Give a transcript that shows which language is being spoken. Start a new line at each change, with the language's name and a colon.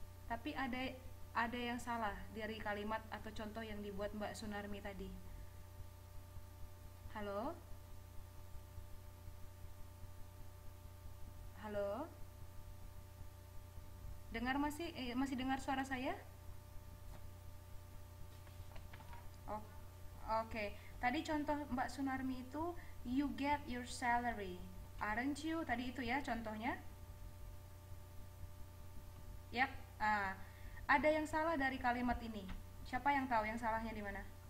Indonesian: Tapi ada yang salah dari kalimat atau contoh yang dibuat Mbak Sunarmi tadi. Halo? Halo? Dengar masih masih dengar suara saya?
English: Okay.
Indonesian: Tadi contoh Mbak Sunarmi itu
English: you get your salary, aren't you?
Indonesian: Tadi itu ya contohnya. Yap, ada yang salah dari kalimat ini. Siapa yang tahu yang salahnya di mana?